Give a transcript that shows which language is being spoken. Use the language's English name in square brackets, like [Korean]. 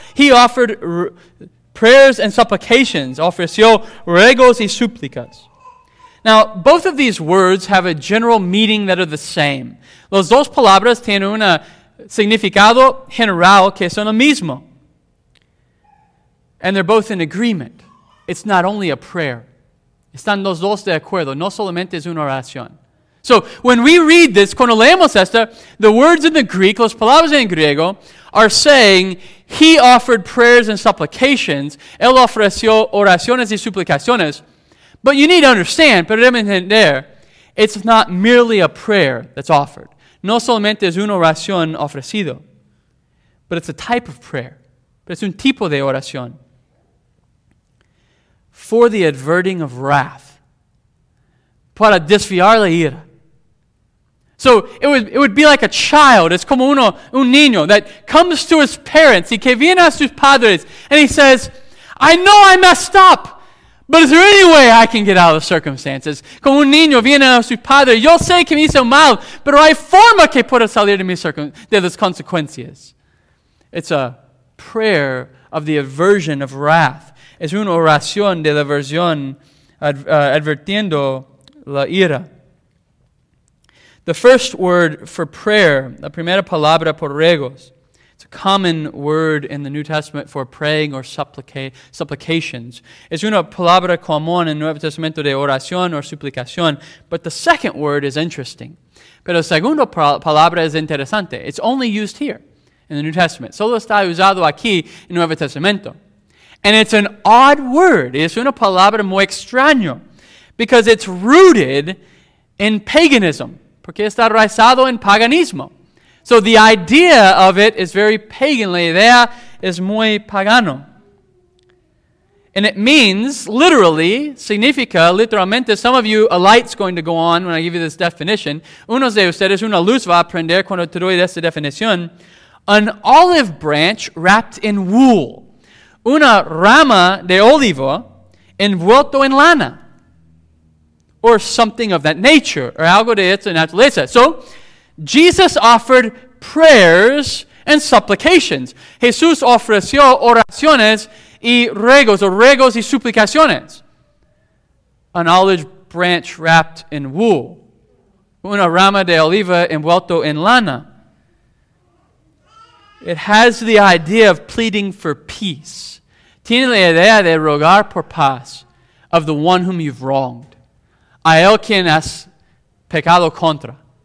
[English] He offered prayers and supplications. [Spanish] Ofreció ruegos y súplicas. [English] Now, both of these words have a general meaning that are the same. [Spanish] Los dos palabras tienen un significado general que son lo mismo. [English] And they're both in agreement. It's not only a prayer. [Spanish] Están los dos de acuerdo. No solamente es una oración. [English] So, when we read this, [Spanish] cuando leemos esta, [English] the words in the Greek, [Spanish] las palabras en griego, [English] are saying, he offered prayers and supplications. [Spanish] Él ofreció oraciones y suplicaciones. [English] But you need to understand, [Spanish] pero deben entender, [English] It's not merely a prayer that's offered. [Spanish] No solamente es una oración ofrecido, [English] but it's a type of prayer. [Spanish] Pero es un tipo de oración. [English] For the averting of wrath. [Spanish] Para desviar la ira. [English] So it would be like a child. It's [Spanish] como un niño [English] that comes to his parents [Spanish] y que viene a sus padres [English] and he says, I know I messed up, but is there any way I can get out of the circumstances? [Spanish] Como un niño viene a su padre, yo sé que me hizo mal, pero hay forma que pueda salir de las consecuencias. [English] It's a prayer of the aversion of wrath. [Spanish] Es una oración de la aversión advirtiendo la ira. [English] The first word for prayer, [Spanish] la primera palabra por ruegos, [English] it's a common word in the New Testament for praying or supplications. [Spanish] Es una palabra común en Nuevo Testamento de oración o suplicación. [English] But the second word is interesting. [Spanish] Pero la segunda palabra es interesante. [English] It's only used here in the New Testament. [Spanish] Solo está usado aquí en Nuevo Testamento. [English] And it's an odd word. [Spanish] Es una palabra muy extraño. [English] Because it's rooted in paganism. [Spanish] Porque está arraigado en paganismo. [English] So the idea of it is very pagan. [Spanish] La idea es muy pagano. [English] And it means, literally, [Spanish] significa, literalmente, [English] some of you, a light's going to go on when I give you this definition. [Spanish] Unos de ustedes, una luz va a prender cuando te doy esta definición. [English] An olive branch wrapped in wool. [Spanish] Una rama de olivo envuelto en lana. [English] Or something of that nature. [Spanish] Or algo de esa naturaleza. [English] So, Jesus offered prayers and supplications. [Spanish] Jesús ofreció oraciones y ruegos, o ruegos y suplicaciones. [English] An olive branch wrapped in wool. [Spanish] Una rama de oliva envuelto en lana. [English] It has the idea of pleading for peace. [Spanish] Tiene la idea de rogar por paz [English] of the one whom you've wronged. [Spanish] A él quien has pecado contra.